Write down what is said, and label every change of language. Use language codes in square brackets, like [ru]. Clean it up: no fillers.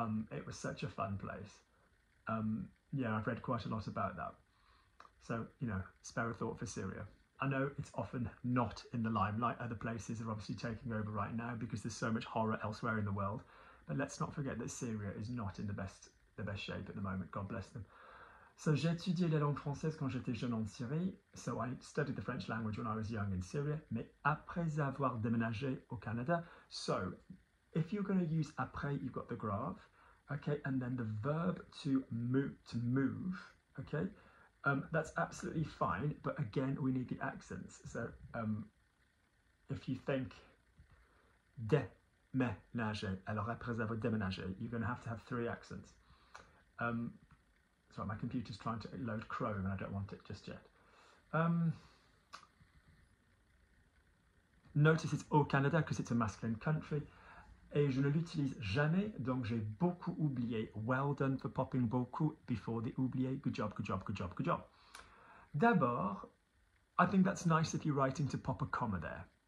[en] It was such a fun place. Yeah, I've read quite a lot about that. So, you know, spare a thought for Syria. I know it's often not in the limelight. Other places are obviously taking over right now because there's so much horror elsewhere in the world. But let's not forget that Syria is not in the best shape at the moment. God bless them. [fr] So j'étudiais la langue française quand j'étais jeune en Syrie. [en] So I studied the French language when I was young in Syria. [fr] Mais après avoir déménagé au Canada. [en] So if you're going to use après, you've got the grave. Okay, and then the verb to move. Okay, that's absolutely fine. But again, we need the accents. So if you think déménager, [fr] alors après avoir déménagé, [en] you're going to have three accents. Sorry, my computer's trying to load Chrome and I don't want it just yet. Notice it's au Canada because it's a masculine country. [fr] Et je ne l'utilise jamais, donc j'ai beaucoup oublié. [en] Well done for popping beaucoup before the oublié. Good job, good job, good job, good job. D'abord, I think that's nice if you're writing to pop a comma there.